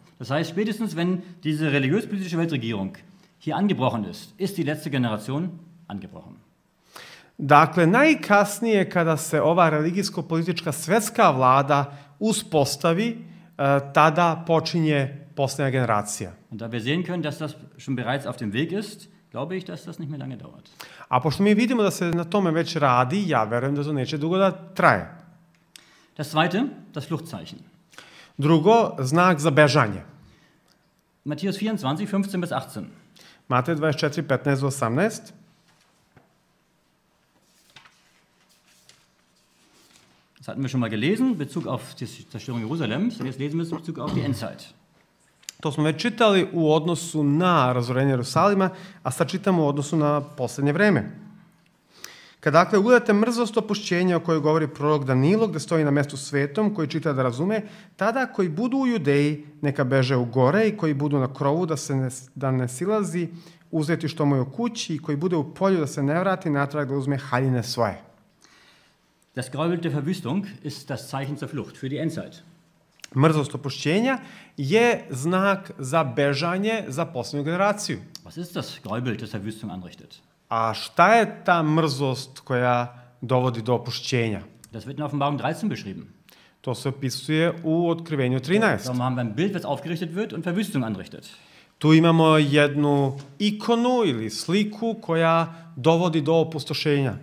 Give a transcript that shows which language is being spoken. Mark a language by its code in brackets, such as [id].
[de] Das heißt, spätestens wenn diese religiös-politische Weltregierung hier angebrochen ist, ist die letzte Generation angebrochen. [sr] Dakle, najkasnije kada se ova religijsko-politička svjetska vlada uspostavi, tada počinje posljednja generacija. [de] Und da wir sehen können, dass das schon bereits auf dem Weg ist, glaube ich, dass das nicht mehr lange dauert. [sr] A pošto mi vidimo da se na tome već radi, ja verujem da to neće dugo da traje. [de] Das zweite, das Fluchtzeichen. [sr] Drugo, znak za bežanje. [de] Matthäus 24, 15 bis 18. [sr] Matej 24, 15 do 18. [de] Das hatten wir schon mal gelesen, Bezug auf die Zerstörung Jerusalems. Jetzt lesen wir es Bezug auf die Endzeit. [sr] To smo već čitali u odnosu na razorenje Jerusalima, a sad čitamo u odnosu na posljednje vreme. Kad dakle ugledate mrzlost opušćenja o kojoj govori prorok Danilo, gde stoji na mestu svetom, koji čita da razume, tada koji budu u Judeji, neka beže u gore i koji budu na krovu, da ne silazi uzeti što mu je u kući i koji bude u polju da se ne vrati natrag da uzme haljine svoje. [de] Das Gräuel der Verwüstung ist das Zeichen zur Flucht für die Endzeit. [sr] Mrzlost opuštenja je znak za bežanje za poslednju generaciju. [de] Was ist das Gräuel, das Verwüstung anrichtet? [sr] A šta je ta mrzlost koja dovodi do opuštenja? [de] Das wird in Offenbarung 13 beschrieben. [sr] To se opisuje u Otkrivenju 13. [de] Da haben wir ein Bild, das aufgerichtet wird und Verwüstung anrichtet. [sr] Tu imamo jednu ikonu ili sliku koja dovodi do opustošenja.